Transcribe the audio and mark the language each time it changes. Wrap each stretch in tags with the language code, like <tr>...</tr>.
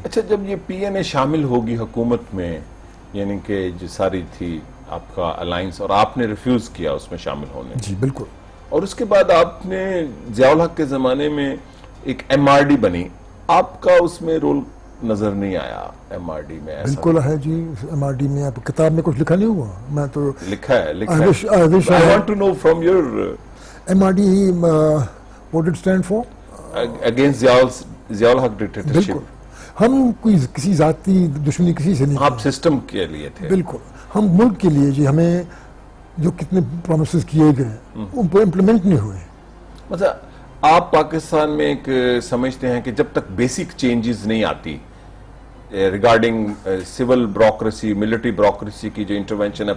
<ur>اچھا, جب یہ پی این اے شامل ہوگی حکومت میں, یعنی کہ جو ساری تھی آپ کا الائنس, اور آپ نے ریفیوز کیا اس میں شامل ہونے. جی بالکل. اور اس کے بعد آپ نے ضیاء الحق کے زمانے میں ایک ایم آر ڈی بنی, آپ کا اس میں رول نظر نہیں آیا ایم آر ڈی میں؟ بالکل ہے جی, ایم آر ڈی میں آپ کتاب میں کچھ لکھا نہیں ہوا. میں تو لکھا ہے, لکھا ہے.</ur> <en>I want to know from your M R D, what it stand for, against Zia ul Haq dictatorship.</en> <ur>بالکل, ہم کوئی کسی ذاتی دشمنی کسی سے نہیں, آپ سسٹم کے لیے تھے. بالکل, ہم ملک کے لیے جی, ہمیں جو کتنے پرومسز کیے گئے ان پر امپلیمنٹ نہیں ہوئے. مطلب آپ پاکستان میں ایک سمجھتے ہیں کہ جب تک بیسک چینجز نہیں آتی ریگارڈنگ سول بروکریسی, ملٹری بروکریسی کی جو انٹروینشن ہے</ur>